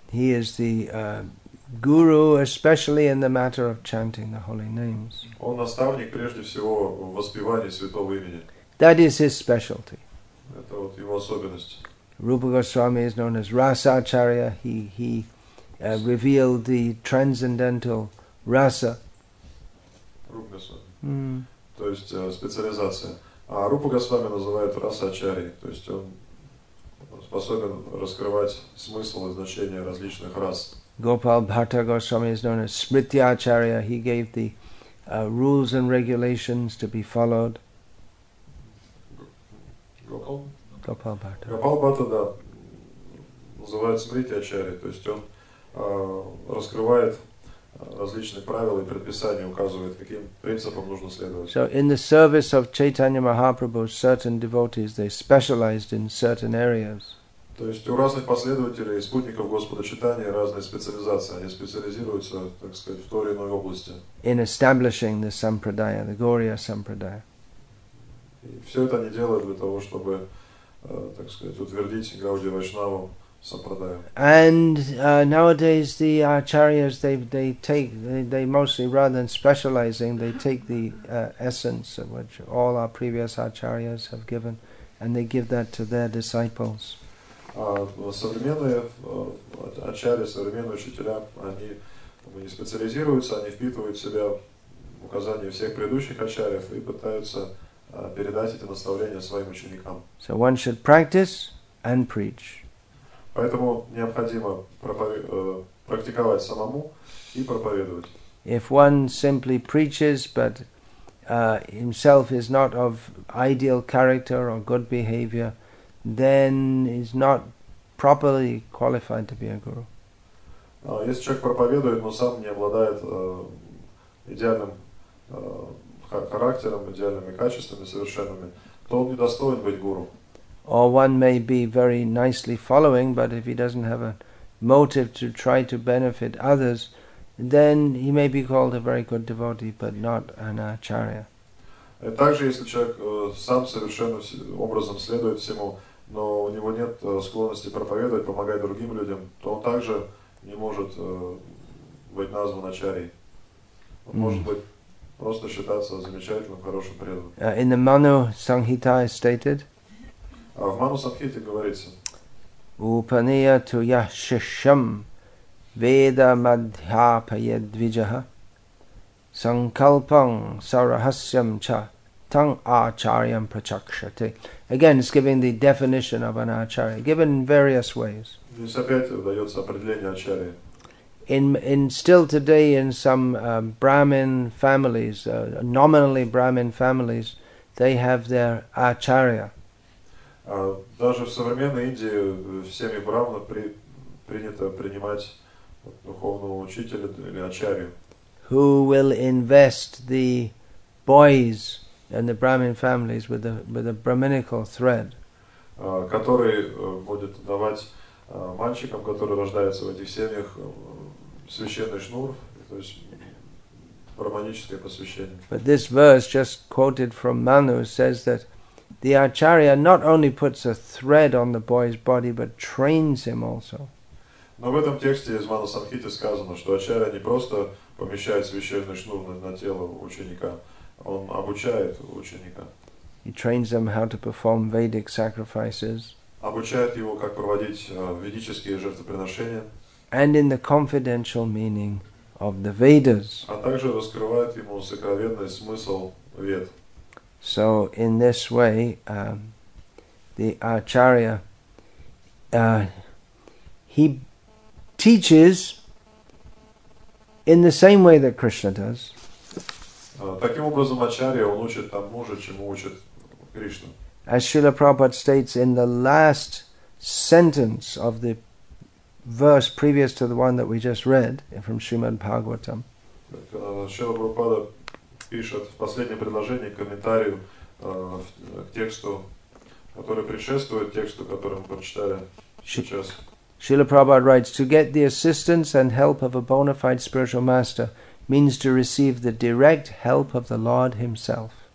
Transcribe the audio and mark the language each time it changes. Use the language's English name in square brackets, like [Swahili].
[English] He is the guru, especially in the matter of chanting the holy names. [Russian] Он наставник прежде всего в воспевании святого имени. [English] That is his specialty. [Russian] Это вот его особенность. [English] Rupa Goswami is known as Rasacharya. He revealed the transcendental rasa. [Russian] Rupa Goswami. То есть специализация. А Rupa Goswami называют Rasacharya. То есть он способен раскрывать смысл и значение различных рас. [English] Gopal Bhatta Goswami is known as Smriti Acharya. He gave the rules and regulations to be followed. Gopal Bhatta. [Russian] Gopal Bhatta, да, называют Смрити Ачарья. То есть он раскрывает различные правила и предписания, указывает, каким принципам нужно следовать. [English] So in the service of Chaitanya Mahaprabhu, certain devotees, they specialized in certain areas. [Russian] То есть у разных последователей и спутников Господа Читания разные специализации. Они специализируются, так сказать, в той или иной области. [English] In establishing the Sampradaya, the Gaurīya Sampradaya. [Russian] И все это они делают для того, чтобы, так сказать, утвердить Гауди Вайшнаву Сампрадаю. [English] And nowadays the acharyas, they mostly, rather than specializing, they take the essence of which all our previous acharyas have given, and they give that to their disciples. [Russian] Современные ачари, современные учителя, они не специализируются, они впитывают в себя указания всех предыдущих ачарьев и пытаются передать эти наставления своим ученикам. [English] So one should practice and preach. [Russian] Поэтому необходимо практиковать самому и проповедовать. [English] If one simply preaches, but himself is not of ideal character or good behavior, then he's not properly qualified to be a guru. [Russian] Если человек проповедует, но сам не обладает идеальным характером, идеальными качествами совершенными, то он не достоин быть гуру. [English] Or one may be very nicely following, but if he doesn't have a motive to try to benefit others, then he may be called a very good devotee, but not an acharya. [Russian] И также, если человек сам совершенным образом следует всему, но у него нет склонности проповедовать, помогать другим людям, то он также не может быть назван ачарьей. Он может быть просто считаться замечательным, хорошим преданным. [English] In the Manu Sanghita is stated, [Russian] в Ману Санхите говорится, [Sanskrit] Upaniya tu ya shisham veda madhyapaya dvijaha sankalpam sarahasyam cha tang acharyam prachakshate. [English] Again, it's giving the definition of an acharya, given in various ways. [Russian] Здесь опять дается определение ачарьи. [English] In still today, in some Brahmin families, nominally Brahmin families, they have their acharya. [Russian] Даже в современной Индии всеми брахманов принято принимать духовного учителя или ачарью. [English] Who will invest the boys and the Brahmin families with a brahminical thread? [Russian] Который будет давать мальчикам, которые рождаются в этих семьях, священный шнур, то есть брахманическое посвящение. [English] But this verse, just quoted from Manu, says that the acharya not only puts a thread on the boy's body, but trains him also. [Russian] Но в этом тексте из Ману Санхиты сказано, что ачарья не просто помещает священный шнур на тело ученика, он обучает ученика. [English] He trains them how to perform Vedic sacrifices. [Russian] Обучает его, как проводить ведические жертвоприношения. [English] And in the confidential meaning of the Vedas. [Russian] А также раскрывает ему сокровенный смысл Вед. [English] So in this way, the acharya, he teaches in the same way that Krishna does. [Russian] Таким образом, ачарья, он учит тому же, чему учит Кришна. [English] As Srila Prabhupada states in the last sentence of the verse previous to the one that we just read from Srimad Bhagavatam. [Russian] Srila Prabhupada пишет в последнем предложении комментарию к тексту, который предшествует тексту, который мы прочитали сейчас. [English] Srila Prabhupada writes, to get the assistance and help of a bona fide spiritual master means to receive the direct help of the Lord himself.